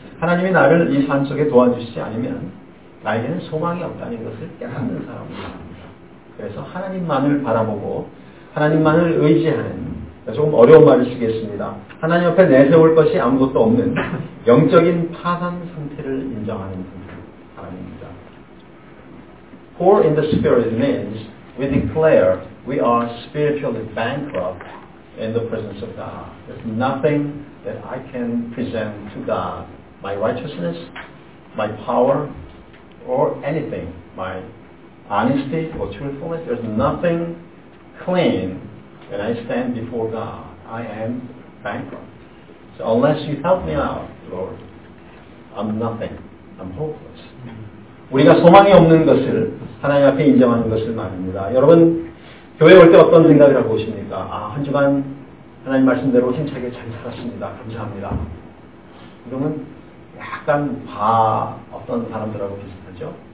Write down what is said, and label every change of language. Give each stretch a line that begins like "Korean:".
Korean: 하나님이 나를 이 삶 속에 도와주시지 않으면 나에게는 소망이 없다는 것을 깨닫는 사람으로 합니다. 그래서 하나님만을 바라보고 하나님만을 의지하는 조금 어려운 말을 쓰겠습니다. 하나님 앞에 내세울 것이 아무것도 없는 영적인 파산 상태를 인정하는 사람입니다.
English: Poor in the spirit means we declare we are spiritually bankrupt in the presence of God. There's nothing that I can present to God. My righteousness, my power, or anything, my honesty or truthfulness, there's nothing clean when I stand before God. I am bankrupt. So unless you help me out, Lord, I'm nothing. I'm hopeless.
Korean: 우리가 소망이 없는 것을 하나님 앞에 인정하는 것을 말입니다. 여러분, 교회 올 때 어떤 생각을 하고 오십니까? 아, 한 주간 하나님 말씀대로 힘차게 잘 살았습니다. 감사합니다. 이러면 약간 바 어떤 사람들하고 비슷하죠?